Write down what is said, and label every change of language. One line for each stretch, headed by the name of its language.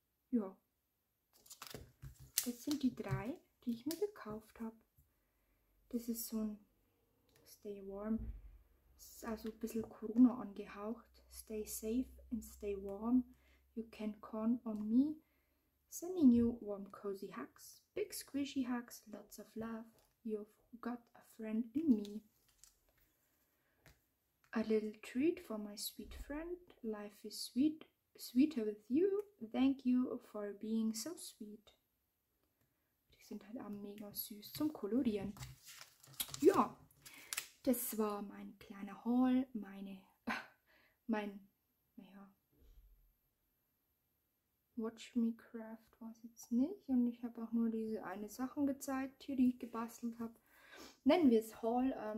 German: Ja. Das sind die drei, die ich mir gekauft habe. Das ist so ein Stay Warm. Das ist also ein bisschen Corona angehaucht.
English: Stay safe and stay warm. You can count on me. Sending you warm, cozy hugs. Big squishy hugs. Lots of love. You've got a friend in me. A little treat for my sweet friend. Life is sweet, sweeter with you. Thank you for being so sweet.
German: Die sind halt auch mega süß zum Kolorieren. Ja, das war mein kleiner Haul, naja, Watch Me Craft war es jetzt nicht. Und ich habe auch nur diese eine Sachen gezeigt hier, die ich gebastelt habe. Nennen wir es Haul.